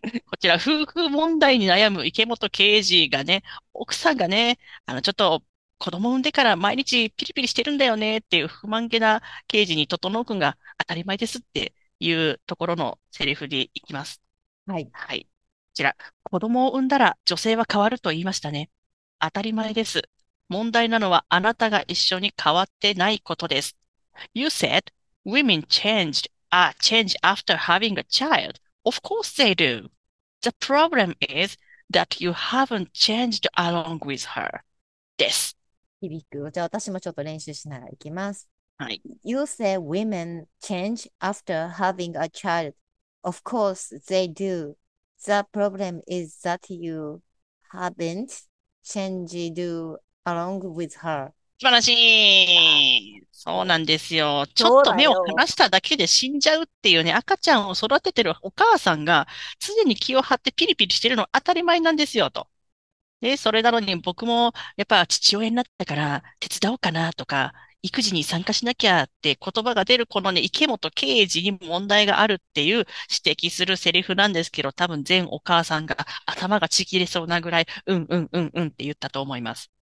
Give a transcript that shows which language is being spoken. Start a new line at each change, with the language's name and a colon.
Japanese: こちら、夫婦問題に悩む池本刑事がね、奥さんがね、ちょっと、子供産んでから毎日ピリピリしてるんだよねっていう不満げな刑事に、整君が当たり前ですっていうところのセリフに行きます。う。はい。はい。こちら、子供を産んだら女性は変わると言いましたね。当たり前です。問題なのはあなたが一緒に変わってないことです。
English: You said women change after having a child. Of course they do. The problem is that you haven't changed along with her.
Japanese: です。響く。じゃあ私もちょっと練習しながら行きます。はい。
English: You say women change after having a child. Of course they do. The problem is that you haven't changed along with her.
Japanese: 素晴らしい。そうなんですよ。ちょっとだ目を離よ。しただけで死んじゃうっていうね、赤ちゃんを育ててるお母さんが常に気を張ってピリピリしてるの当たり前なんですよ、と。で、それなのに僕もやっぱ父親になったから手伝おうかなとか、育児に参加しなきゃって言葉が出るこのね、池本刑事に問題があるっていう指摘するセリフなんですけど、多分全お母さんが頭がちぎれそうなぐらい、って言ったと思います。